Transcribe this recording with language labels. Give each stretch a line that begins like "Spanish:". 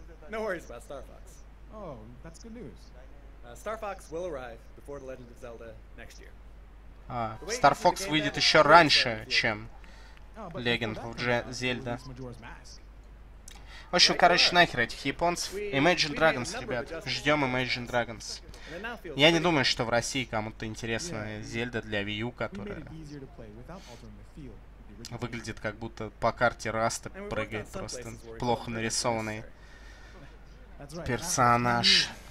English: No worries about Star Fox. Oh, that's good news. Star Fox will arrive before The Legend of Zelda next year.
Russian: А, Star Fox выйдет еще раньше, чем Legend of Zelda. В общем, короче, нахер этих японцев. Imagine Dragons, ребят. Ждем Imagine Dragons. Я не думаю, что в России кому-то интересна Зельда для Wii U, которая выглядит как будто по карте Раста прыгает, просто плохо нарисованный персонаж.